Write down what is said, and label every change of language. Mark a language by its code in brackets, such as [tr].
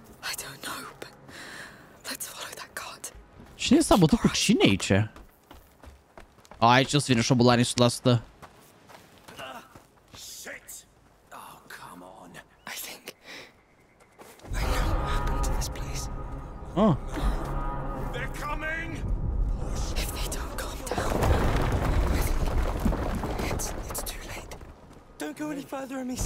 [en] I don't know, but let's follow that god. [ro] Cine s-a bătut cu cine aici? A, aici o să vină șobolanii 100%. [en] Shit. Oh, come on. I think I know what happened to this place. Oh. They're coming. If they don't calm down, I think it's too late. Don't go any further, Amis.